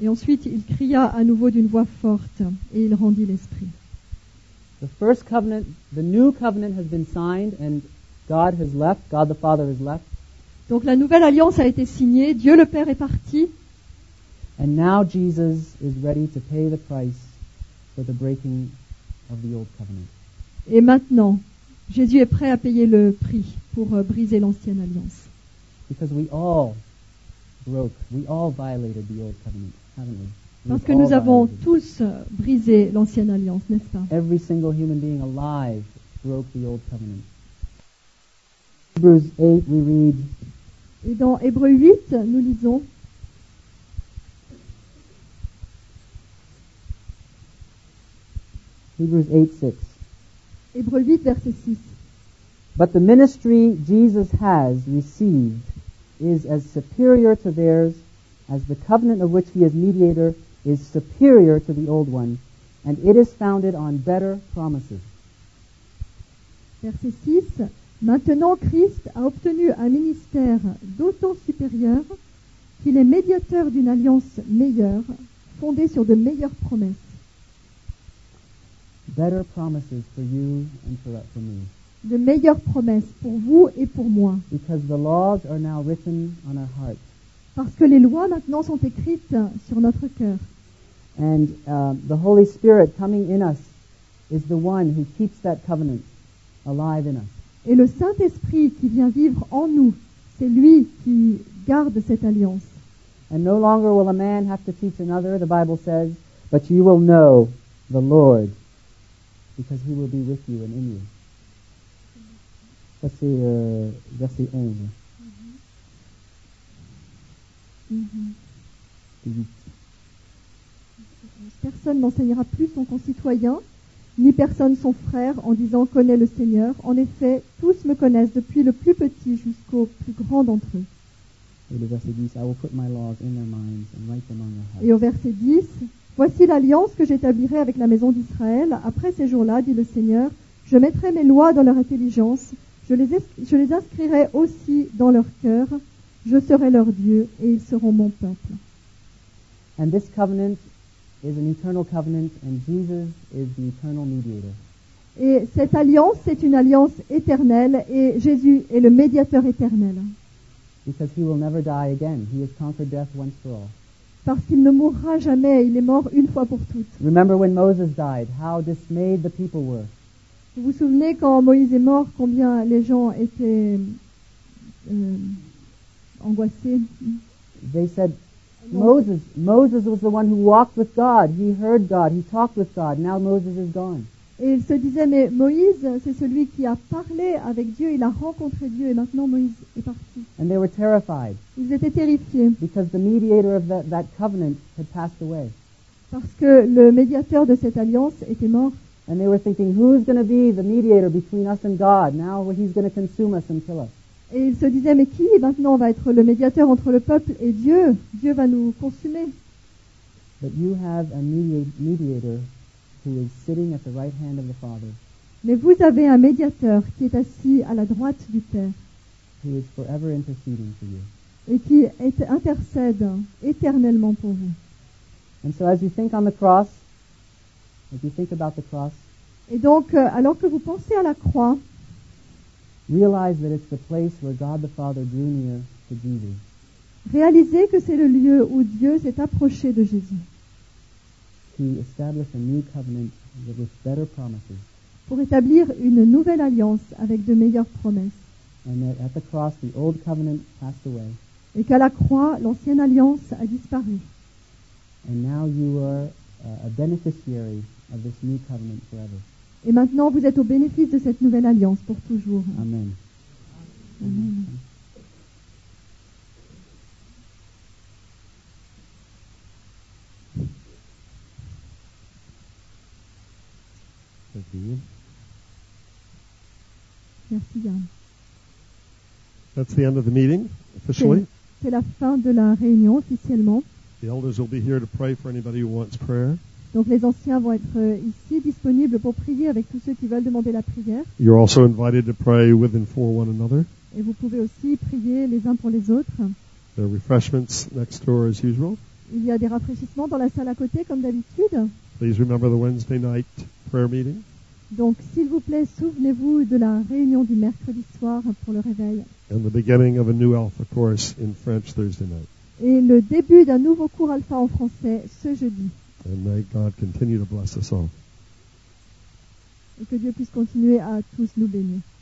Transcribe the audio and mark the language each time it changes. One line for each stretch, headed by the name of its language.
French: Et ensuite, il cria à nouveau d'une voix forte et il rendit l'esprit.
English: The first covenant, the new covenant has been signed and God has left, God the Father has left.
French: Donc la nouvelle alliance a été signée, Dieu le Père est parti.
English: And now Jesus is ready to pay the price for the breaking of the old covenant.
French: Et maintenant, Jésus est prêt à payer le prix pour briser l'ancienne alliance.
English: Because we all broke, we all violated the old covenant, haven't we?
French: Parce que nous avons tous brisé l'ancienne alliance, n'est-ce pas?
English: Every single human being alive broke the old covenant. Hebrews 8, we read.
French: Et dans Hébreux 8, nous lisons.
English: Hebrews 8, 6.
French: Hébreux 8, verset 6.
English: But the ministry Jesus has received is as superior to theirs as the covenant of which he is mediator is superior to the old one, and it is founded on better promises.
French: Verset 6. Maintenant, Christ a obtenu un ministère d'autant supérieur qu'il est médiateur d'une alliance meilleure, fondée sur de meilleures promesses.
English: Better promises for you and for me.
French: De meilleures promesses pour vous et pour moi.
English: Because the laws are now written on our hearts.
French: Parce que les lois maintenant sont écrites sur notre cœur.
English: And the Holy Spirit coming in us is the one who keeps that covenant alive in us.
French: Et le Saint-Esprit qui vient vivre en nous, c'est lui qui garde cette alliance.
English: And no longer will a man have to teach another, the Bible says, but you will know the Lord. Because he will be with you and in you.
French: Ça c'est verset 11. Personne n'enseignera plus son concitoyen, ni personne son frère, en disant « Connais le Seigneur ». En effet, tous me connaissent, depuis le plus petit jusqu'au plus grand d'entre eux. Et le verset 10,
English: « I will put my laws in their minds and write them on their hearts. »
French: Et au verset 10, Voici l'alliance que j'établirai avec la maison d'Israël. Après ces jours-là, dit le Seigneur, je mettrai mes lois dans leur intelligence, je les inscrirai aussi dans leur cœur, je serai leur Dieu et ils seront mon peuple.
English: And this covenant is an eternal covenant and Jesus is the eternal mediator.
French: Et cette alliance, c'est une alliance éternelle et Jésus est le médiateur éternel.
English: Because he will never die again. He has conquered death once for all.
French: Parce qu'il ne mourra jamais, il est mort une fois pour toutes.
English: Remember when Moses died, how dismayed the people were.
French: Vous vous souvenez quand Moïse est mort, combien les gens étaient angoissés.
English: They said, Moses was the one who walked with God. He heard God. He talked with God. Now Moses is gone.
French: Et ils se disaient, mais Moïse, c'est celui qui a parlé avec Dieu, il a rencontré Dieu, et maintenant Moïse est parti.
English: And they were terrified.
French: Ils étaient terrifiés.
English: Because the mediator of that covenant had passed away.
French: Parce que le médiateur de cette alliance était mort.
English: And they were thinking, who's going to be the mediator between us and God? Now he's going to consume us and kill us.
French: Et ils se disaient, mais qui maintenant va être le médiateur entre le peuple et Dieu? Dieu va nous consumer.
English: But you have a mediator who is sitting at the right hand of the Father.
French: Mais vous avez un médiateur qui est assis à la droite du Père.
English: Who is forever interceding for you.
French: Et qui intercède éternellement pour vous.
English: And so as you think on the cross, as you think about the cross,
French: et donc, alors que vous pensez à la croix,
English: realize that it's the place where God the Father drew near to Jesus.
French: Réalisez que c'est le lieu où Dieu s'est approché de Jésus.
English: To establish a new covenant with better promises.
French: Pour établir une nouvelle alliance avec de meilleures promesses.
English: And that at the cross, the old covenant passed away.
French: Et qu'à la croix, l'ancienne alliance a disparu.
English: And now you are a beneficiary of this new covenant forever.
French: Et maintenant, vous êtes au bénéfice de cette nouvelle alliance pour toujours.
English: Amen.
French: Merci. Merci, Yann.
English: That's the end of the meeting, officially.
French: C'est la fin de la réunion, officiellement.
English: The elders will be here to pray for anybody who wants prayer.
French: Donc les anciens vont être ici disponibles pour prier avec tous ceux qui veulent demander la prière.
English: You're also invited to pray with and for one another.
French: Et vous pouvez aussi prier les uns pour les autres.
English: There are refreshments next door as usual.
French: Il y a des rafraîchissements dans la salle à côté comme d'habitude.
English: Please remember the Wednesday night prayer meeting.
French: Donc s'il vous plaît, souvenez-vous de la réunion du mercredi soir pour le réveil.
English: And the beginning of a new alpha course in French Thursday night.
French: Et le début d'un nouveau cours alpha en français ce jeudi.
English: And may God continue to bless us all.
French: Et que Dieu puisse continuer à tous nous bénir.